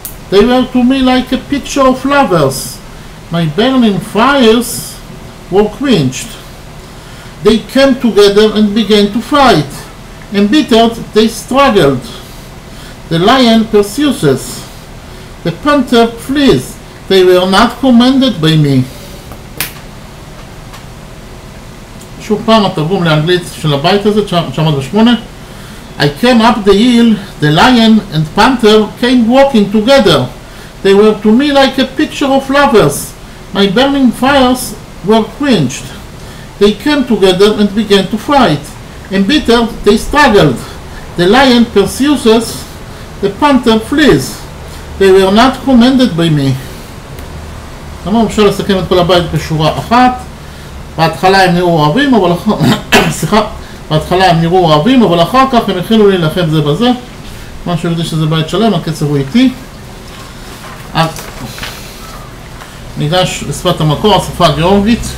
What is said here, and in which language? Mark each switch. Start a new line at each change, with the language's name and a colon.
English: They were to me like a picture of lovers. My burning fires were quenched. They came together and began to fight. Embittered, they struggled. The lion pursues, the panther flees, they were not commanded by me.
Hebrew: שוב פעם התרגום לאנגלית של הבית הזה, 908.
English: I came up the hill, the lion and panther came walking together. They were to me like a picture of lovers. My burning fires were quenched. They came together and began to fight. Embittered, they struggled. The lion pursues, the panther flees, they were not commanded by me.
Hebrew: למה אפשר לסכם את כל הבית בשורה אחת? בהתחלה הם נראו אוהבים, אבל אחר כך הם החלו להילחם זה בזה. כמו שאני יודע שזה בית שלם, הקצב הוא איטי. אז ניגש לשפת המקור, השפה הגיאורגית.